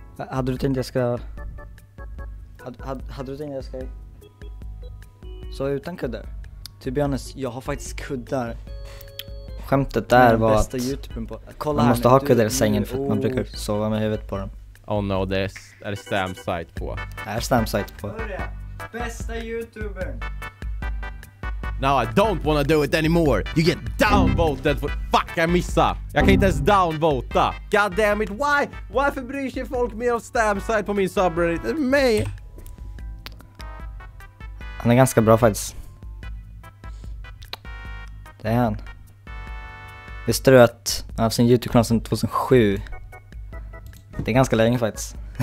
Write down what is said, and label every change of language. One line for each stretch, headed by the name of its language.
Swedish: Hade du tänkt jag ska... Hade du tänkt jag ska... Så utan kuddar.
English: To be honest,
Swedish: jag har faktiskt kuddar. Skämtet där var bästa att... YouTube-en på... Kolla man här måste nu. Ha kuddar i sängen för att man brukar sova med huvudet på dem.
English: Oh no,
Swedish: det är stamp site på. Det är stamp site på. Bästa YouTubern!
English: Now I don't wanna do it anymore. You get downvoted for... Fuck,
Swedish: jag missa. Jag kan inte ens downvota.
English: God damn it, why?
Swedish: Varför bryr sig folk mer om stamp site på min subreddit än mig? Han är ganska bra faktiskt. Det är han. Visste du att han har sin YouTube-kanal sedan 2007? Det är ganska länge faktiskt.